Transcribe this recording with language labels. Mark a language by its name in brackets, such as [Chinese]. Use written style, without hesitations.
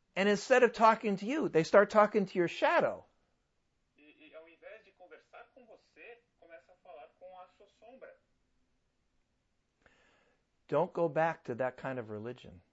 [English] And instead of talking to you, they start talking to your shadow. [Portuguese] E ao invés de conversar com você, começa a falar com a sua sombra. [English] Don't go back to that kind of religion.